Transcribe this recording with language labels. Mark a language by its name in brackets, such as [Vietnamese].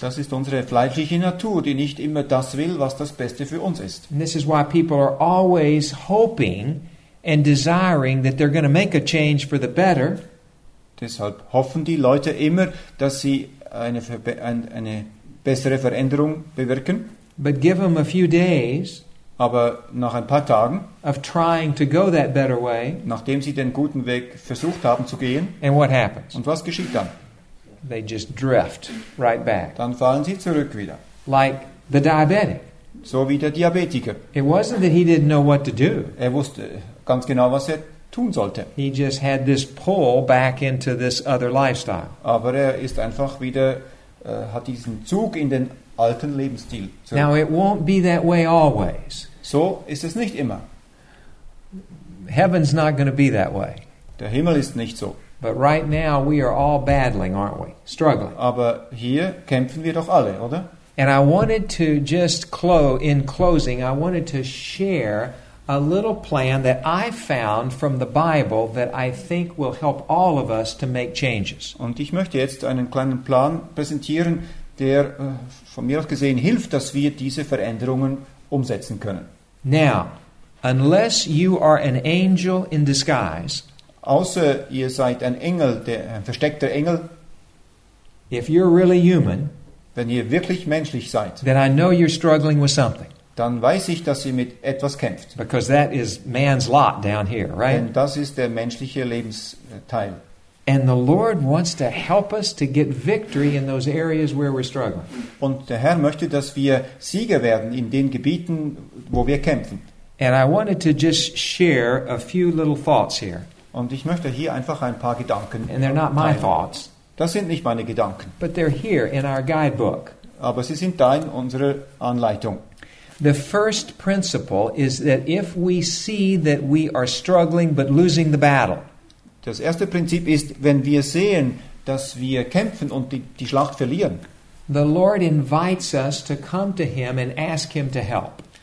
[German] Das ist unsere fleischliche Natur, die nicht immer das will, was das Beste für uns ist. [English] And this is why people are always hoping and desiring that they're going to make a change for the better. [German] Deshalb hoffen die Leute immer, dass sie eine bessere Veränderung bewirken. [English] But give them a few days. [German] Aber nach ein paar Tagen, [English] of trying to go that better way, [German] nachdem sie den guten Weg versucht haben zu gehen, [English] and what happens? [German] Und was geschieht dann? [English] They just drift right back. [German] Dann fallen sie zurück wieder. [English] Like the diabetic. [German] So wie der Diabetiker. [English] It wasn't that he didn't know what to do. [German] Er wusste ganz genau, was er tun sollte. [English] He just had this pull back into this other lifestyle. [German] Aber er ist einfach wieder, hat diesen Zug in den alten Lebensstil. [English] Now it won't be that way always. [German] So ist es nicht immer. [English] Heaven's not going to be that way. [German] Der Himmel ist nicht so. [English] But right now we are all battling, aren't we? Struggling. [German] Aber hier kämpfen wir doch alle, oder? [English] And I wanted to just in closing, I wanted to share a little plan that I found from the Bible that I think will help all of us to make changes. [German] Und ich möchte jetzt einen kleinen Plan präsentieren, der von mir aus gesehen hilft, dass wir diese Veränderungen umsetzen können. [English] Now, unless you are an angel in disguise, [German] außer ihr seid ein Engel, ein versteckter Engel, [English] if you're really human, [German] wenn ihr wirklich menschlich seid, [English] then I know you're struggling with something. [German] Dann weiß ich, dass ihr mit etwas kämpft. [English] Because that is man's lot down here, right? [German] Denn das ist der menschliche Lebensteil. [English] And the Lord wants to help us to get victory in those areas where we're struggling. [German] Und der Herr möchte, dass wir Sieger werden in den Gebieten, wo wir kämpfen. [English] And I wanted to just share a few little thoughts here. [German] Und ich möchte hier einfach ein paar Gedanken teilen. [English] And they're not my thoughts. [German] Das sind nicht meine Gedanken. [English] But they're here in our guidebook. [German] Aber sie sind da in unserer Anleitung. [English] The first principle is that if we see that we are struggling but losing the battle. [German] Das erste Prinzip ist, wenn wir sehen, dass wir kämpfen und die Schlacht verlieren. [English] The Lord invites us to come to him and ask him to help.